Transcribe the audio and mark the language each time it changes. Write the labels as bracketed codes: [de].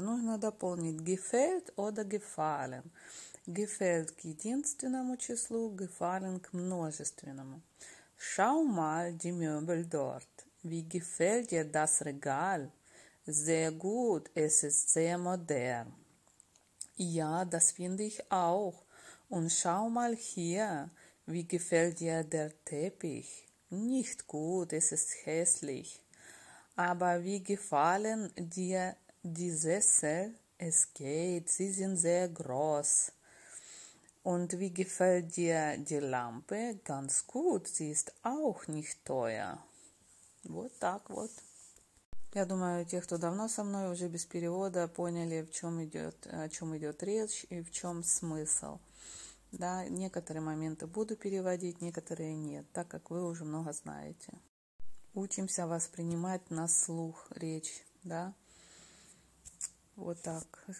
[ru] Нужно дополнить gefällt oder gefallen. Gefällt к единственному числу, gefallen к множественному. [de] Schau mal die Möbel dort. Wie gefällt dir das Regal? Sehr gut, es ist sehr modern. Ja, das finde ich auch. Und schau mal hier, wie gefällt dir der Teppich? Nicht gut, es ist hässlich. Aber wie gefallen dir die Sessel? Es geht, sie sind sehr groß. Und wie gefällt dir die Lampe? Ganz gut, sie ist auch nicht teuer. [ru] Вот так вот. Я думаю, те, кто давно со мной, уже без перевода, поняли, о чем идет речь и в чем смысл. Да, некоторые моменты буду переводить, некоторые нет, так как вы уже много знаете. Учимся воспринимать на слух речь, да. Вот так.